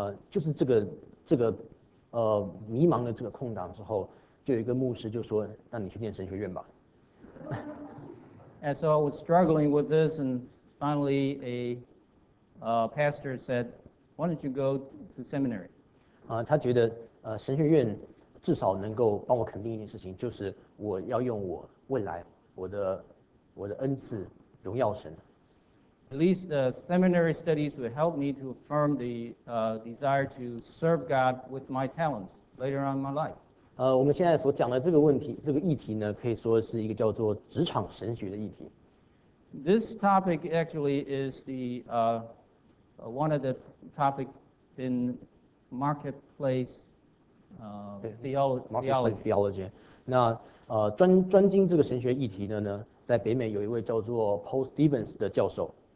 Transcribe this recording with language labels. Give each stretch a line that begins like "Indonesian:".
Chinese: 就是这个迷茫的这个空档之后，就有一个牧师就说，那你去念神学院吧。
English: And so I was struggling with this, and finally a pastor said, why don't you go to seminary?
Chinese: 他觉得神学院至少能够帮我肯定一件事情，就是我要用我未来我的恩赐荣耀神。
English: At least the seminary studies will help me to affirm the desire to serve God with my talents later on in my life.
Chinese: 我们现在所讲的这个问题，这个议题呢，可以说是一个叫做职场神学的议题。
English: This topic actually is the one of the topic in marketplace theology.
Chinese: 那专精这个神学议题的呢，在北美有一位叫做 Paul Stevens 的教授。